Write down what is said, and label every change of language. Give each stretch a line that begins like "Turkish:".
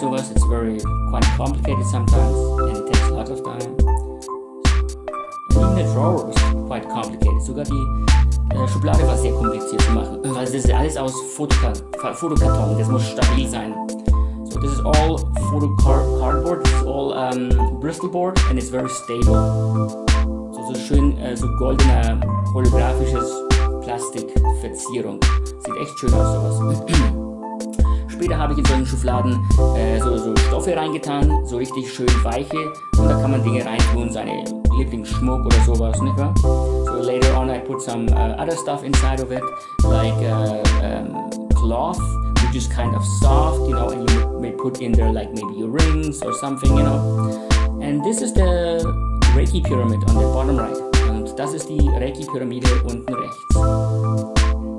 English: It's very quite complicated sometimes and it takes a lot of time. And even the drawer was quite complicated.
German: Sogar die Schublade war sehr kompliziert zu machen. Weil das ist alles aus Fotokarton. Das muss stabil sein.
English: So this is all photocardboard. This is all Bristol board and it's very stable.
German: So so schön so goldene holographisches Plastikverzierung. Sieht echt schön aus sowas. Später habe ich in solchen Schubladen so Stoffe reingetan, so richtig schön weiche und da kann man Dinge reintun, seine Lieblingsschmuck oder sowas, nicht wahr?
English: So later on I put some other stuff inside of it, like cloth, which is kind of soft, you know, and you may put in there like maybe rings or something, you know. And this is the Reiki Pyramid on the bottom right.
German: Und das ist die Reiki Pyramide unten rechts.